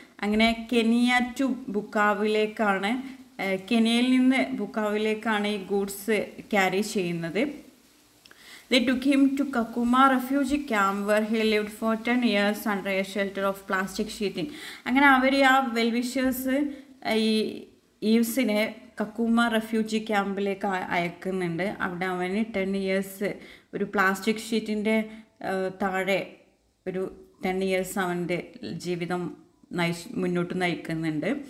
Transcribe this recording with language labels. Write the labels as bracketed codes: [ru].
[ml] അങ്ങനെ Kenya to ബുക്കാവിലേക്കാണ്, കെനിയയിൽ നിന്ന് ബുക്കാവിലേക്കാണ് ഈ ഗൂഡ്സ് ക്യാരി ചെയ്യുന്നത്. [en] They took him to Kakuma refugee camp where he lived for 10 years under a shelter of plastic sheeting. [ml] അങ്ങനെ അവർ ആ well-wishers ഈ ഈവ്സിനെ കക്കൂമ refugee ക്യാമ്പിലേക്ക് അയക്കുന്നുണ്ട്. അവിടെ അവന് 10 years ഒരു പ്ലാസ്റ്റിക് ഷീറ്റിൻ്റെ താഴെ ഒരു 10 years അവൻ്റെ ജീവിതം മുന്നോട്ട് നയിക്കുന്നുണ്ട്.